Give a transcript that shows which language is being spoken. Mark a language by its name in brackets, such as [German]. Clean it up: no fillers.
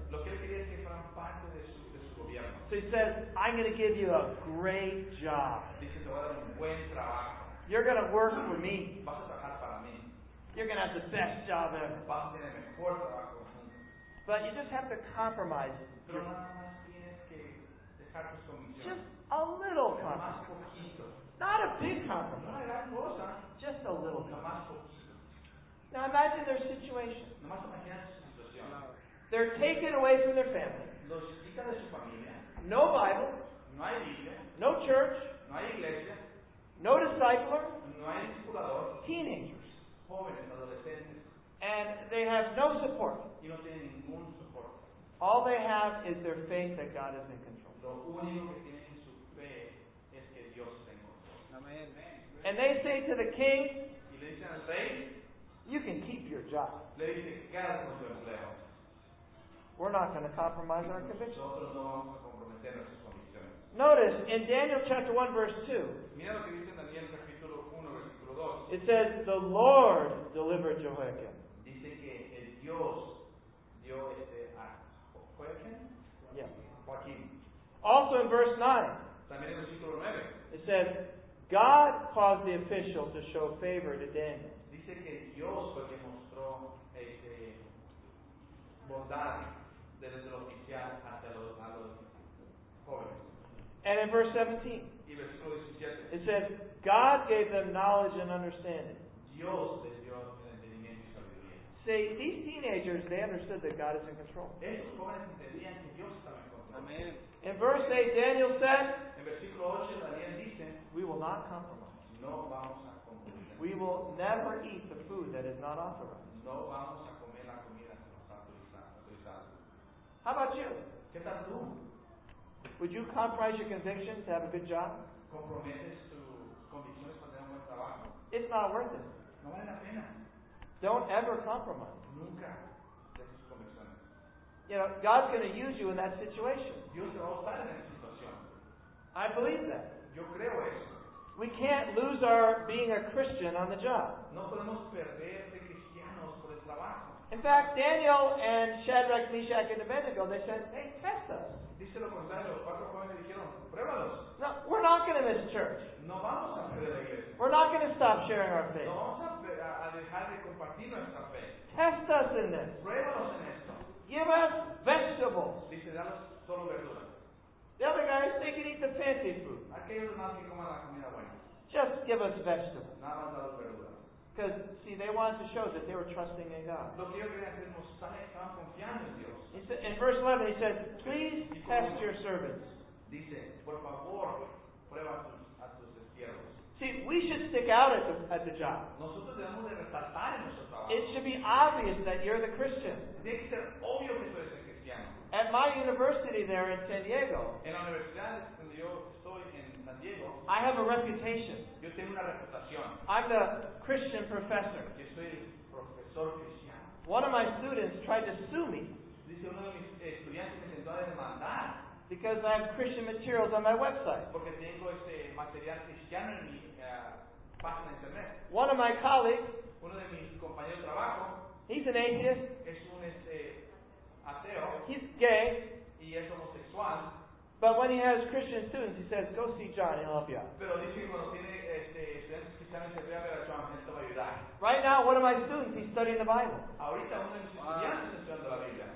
[Spanish] Lo que él quería es que fueran parte de su gobierno. [English] So he says, I'm going to give you a great job. [Spanish] Dice, te voy a dar un buen trabajo. [English] You're going to work for me. [Spanish] Vas a trabajar para mí. [English] You're going to have the best job ever. [Spanish] Vas a tener el mejor trabajo. [English] But you just have to compromise. [Spanish] Pero nada más tienes que dejar tus comisiones. [English] Just a little compromise. [Spanish] Más poquito. [English] Not a big compromise. [Spanish] No, gran cosa. [English] Just a little compromise. Now imagine their situation. [Spanish] No más imagínate su situación. [English] They're taken away from their family. [Spanish] Los quitan de su familia. [English] No Bible. [Spanish] No hay Biblia. [English] No church. [Spanish] No hay iglesia. [English] No discipler. [Spanish] No hay discipulador. [English] Teenagers. [Spanish] Jóvenes, adolescentes. [English] And they have no support. [Spanish] Y no tienen ningún support. [English] All they have is their faith that God is in control. [Spanish] Lo único que tienen en su fe es que Dios está en control. [English] Amen. And they say to the king, [Spanish] y le dicen al rey, [English] you can keep your job. [Spanish] Le dicen, quédate con tu empleo. [English] We're not going to compromise our convictions. [Spanish] Nosotros no vamos a comprometer nuestras convicciones. [English] Notice in Daniel chapter 1 verse 2. [Spanish] Mira lo que dice en Daniel capítulo 1 versículo 2. [English] It says the Lord delivered Jehoiakim. [Spanish] Dice que el Dios dio a Jehoiakim. [English] Yeah. [Spanish] Joaquín. [English] Also in verse 9. [Spanish] También en versículo 9. [English] It says God caused the official to show favor to Daniel. [Spanish] Dice que Dios fue quien mostró bondad desde el oficial hasta los jóvenes. [English] And in verse 17, [Spanish] y versículo 17, [English] it says, God gave them knowledge and understanding. [Spanish] Dios les dio entendimiento y sabiduría. [English] See, these teenagers, they understood that God is in control. [Spanish] Estos jóvenes entendían que Dios estaba en control. [English] Amen. In verse 8, Daniel said, [Spanish] en versículo 8, Daniel dice, [English] we will not compromise. [Spanish] No vamos a compromiso. [English] We will never eat the food that is not authorized. [Spanish] No vamos a comer la comida que no está autorizada. [English] How about you? [Spanish] ¿Qué tal tú? [English] Would you compromise your conviction to have a good job? [Spanish] ¿Comprometes tus convicciones para tener un buen trabajo? [English] It's not worth it. [Spanish] No vale la pena. [English] Don't ever compromise. [Spanish] Nunca de tus convicciones. [English] You know, God's going to use you in that situation. [Spanish] Dios te va a usar en esa situación. [English] I believe that. [Spanish] Yo creo eso. [English] We can't lose our being a Christian on the job. [Spanish] No podemos perder de cristianos por el trabajo. [English] In fact, Daniel and Shadrach, Meshach, and Abednego, they said, hey, test us. [Spanish] Dice lo contrario, los cuatro jóvenes dijeron, pruébalos. [English] No, we're not going to miss church. [Spanish] No vamos a perder la iglesia. [English] We're not going to stop sharing our faith. [Spanish] No vamos a dejar de compartir nuestra fe. [English] Test us in this. [Spanish] Pruébanos en esto. [English] Give us vegetables. [Spanish] Dice, danos solo verduras. [English] The other guys, they can eat the fancy food. [Spanish] Aquellos más que coman la comida buena. [English] Just give us vegetables. [Spanish] Nada más danos verduras. [English] Because, see, they wanted to show that they were trusting in God. [Spanish] Lo que ellos querían hacer es mostrar que estaban confiando en Dios. [English] He said, in verse 11, he said, please test your servants. [Spanish] Dice, por favor, prueba a tus siervos. [English] See, we should stick out at the job. [Spanish] Nosotros debemos de resaltar en nuestro trabajo. [English] It should be obvious that you're the Christian. [Spanish] Tiene que ser obvio que tú eres el cristiano. [English] At my university there in San Diego, [Spanish] en la universidad donde yo estoy en San Diego, [English] I have a reputation. [Spanish] Yo tengo una reputación. [English] I'm the Christian professor. [Spanish] Yo soy el profesor cristiano. [English] One of my students tried to sue me. [Spanish] Dice uno de mis estudiantes me intentó demandar. [English] Because I have Christian materials on my website. [Spanish] Porque tengo este material cristiano en mi página de internet. [English] One of my colleagues, [Spanish] uno de mis compañeros de trabajo, [English] he's an atheist, [Spanish] es un ateo, [English] he's gay, [Spanish] y es homosexual, [English] but when he has Christian students, he says, go see John, he'll help you. [Spanish] Pero dice que cuando tiene estudiantes cristianos, se ve a ver a John, él te va a ayudar. [English] Right now, one of my students, he's studying the Bible. [Spanish] Ahorita uno de mis estudiantes está estudiando la Biblia.